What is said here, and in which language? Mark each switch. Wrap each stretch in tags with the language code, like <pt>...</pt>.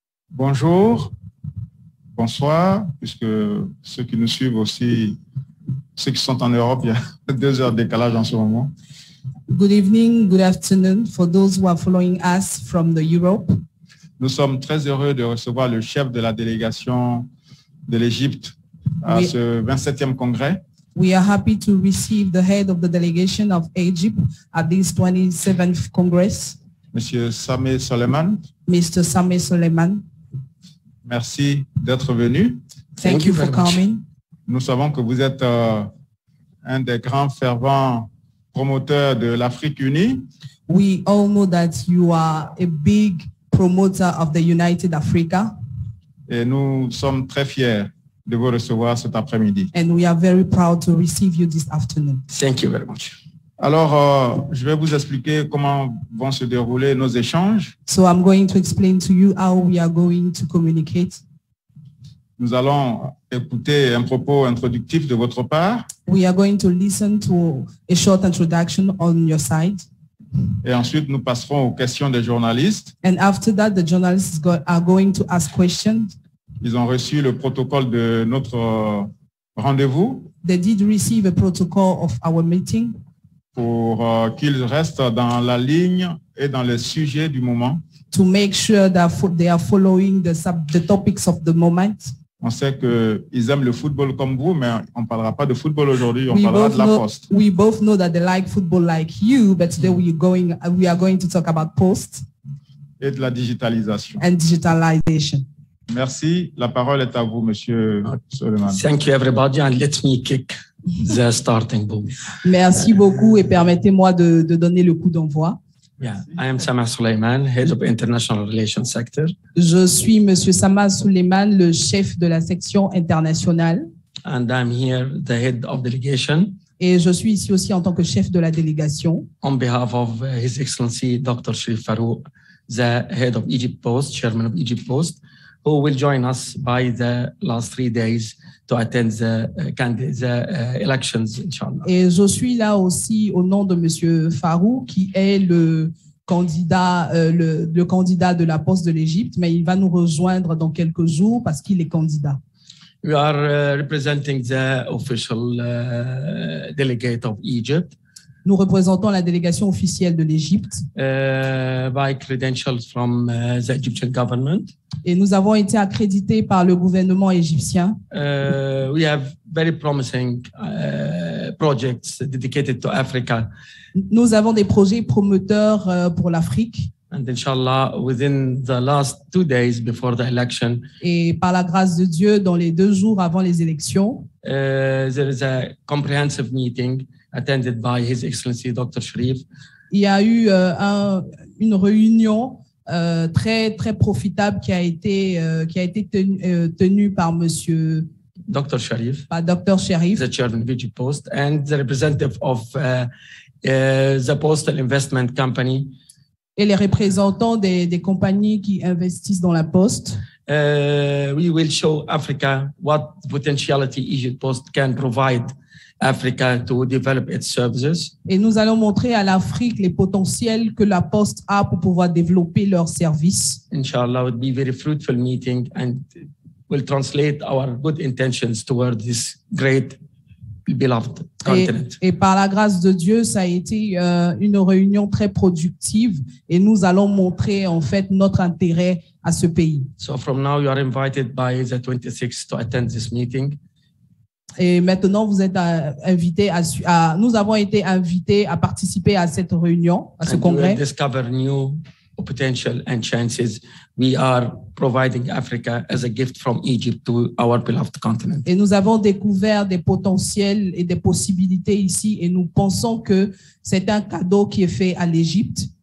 <fr>Bonjour, bonsoir, puisque ceux qui nous suivent aussi, ceux qui sont en Europe, il y a 2 heures de décalage en ce moment.</fr> <en>Good evening, good afternoon for those who are following us from the Europe.</en> <fr>Nous sommes très heureux de recevoir le chef de la délégation de l'Égypte à ce 27e congrès.</fr> <en>We are happy to receive the head of the delegation of Egypt at this 27th Congress.</en> <fr>Monsieur Sameh Soleiman.</fr> <en>Mr. Sameh Soleiman.</en> <fr>Merci d'être venu.</fr> <en>Thank you for coming.</en> <fr>Nous savons que vous êtes un des grands fervents promoteurs de l'Afrique unie.</fr> <en>We all know that you are a big promoter of the United Africa.</en> <fr>Et nous sommes très fiers de vous recevoir cet après-midi.</fr> <en>And we are very proud to receive you this afternoon. Thank you very much.</en> <fr>Alors, je vais vous expliquer comment vont se dérouler nos échanges.</fr> <en>So I'm going to explain to you how we are going to communicate.</en> <fr>Nous allons écouter un propos introductif de votre part.</fr> <en>We are going to listen to a short introduction on your side.</en> <fr>Et ensuite, nous passerons aux questions des journalistes.</fr> <en>And after that, the journalists are going to ask questions.</en> <fr>Ils ont reçu le protocole de notre rendez-vous.</fr> <en>They did receive a protocol of our meeting.</en> <fr>Pour qu'ils restent dans la ligne et dans les sujets du moment.</fr> <en>To make sure that they are following the topics of the moment.</en> <fr>On sait qu'ils aiment le football comme vous, mais on ne parlera pas de football aujourd'hui, on parlera de la poste.</fr> <en>We both know that they like football like you, but today we are going to talk about post.</en> <fr>Et de la digitalisation.</fr> <en>And digitalization.</en> <fr>Merci, la parole est à vous, Monsieur Soleiman.</fr> <en>Thank you everybody, and let me kick. The starting ball.</en> <fr>Merci beaucoup et permettez-moi de donner le coup d'envoi.</fr> <en>Yeah, I am Sameh Soleiman, head of international relations sector.</en> <fr>Je suis Monsieur Sameh Soleiman, le chef de la section internationale.</fr> <en>And I'm here, the head of delegation.</en> <fr>Et je suis ici aussi en tant que chef de la délégation.</fr> <en>On behalf of His Excellency Dr. Sherif Farouk, the head of Egypt Post, chairman of Egypt Post. Who will join us by the last 3 days to attend the elections, inshallah.</en> <fr>Et je suis là aussi au nom de Monsieur Farou, qui est le candidat de la poste de l'Égypte, mais il va nous rejoindre dans quelques jours parce qu'il est candidat.</fr> <en>We are representing the official delegate of Egypt.</en> <fr>Nous représentons la délégation officielle de l'Égypte.</fr> <en>By credentials from the Egyptian government.</en> <fr>Et nous avons été accrédités par le gouvernement égyptien.</fr> <en>We have very promising projects dedicated to Africa.</en> <fr>Nous avons des projets prometteurs pour l'Afrique.</fr> <en>And inshallah, within the last 2 days before the election.</en> <fr>Et par la grâce de Dieu, dans les 2 jours avant les élections.</fr> <en>There is a comprehensive meeting. Attended by His Excellency Dr. Sherif.</en> <fr>Il y a eu une réunion très très profitable qui a été tenue par Monsieur</fr> <en>Dr. Sherif,</en> <fr>par Dr. Sherif,</fr> <en>the chairman of Egypt Post, and the representative of the postal investment company.</en> <fr>Et les représentants des compagnies qui investissent dans la poste.</fr> <en>We will show Africa what potentiality Egypt Post can provide. Africa to develop its services.</en> <fr>Et nous allons montrer à l'Afrique les potentiels que la Poste a pour pouvoir développer leurs services.</fr> <en>Inshallah, it will be a very fruitful meeting and will translate our good intentions toward this great beloved continent.</en> <fr>Et par la grâce de Dieu, ça a été une réunion très productive et nous allons montrer en fait notre intérêt à ce pays.</fr> <en>So from now, you are invited by the 26th to attend this meeting.</en> <fr>Et maintenant, vous êtes invités nous avons été invités à participer à cette réunion, à ce</fr> <en>and</en> <fr>congrès.</fr> <en>We discover new potential and chances. We are providing Africa as a gift from Egypt to our beloved continent.</en> <fr>Et nous avons découvert des potentiels et des possibilités ici, et nous pensons que c'est un cadeau qui est fait à l'Égypte.</fr>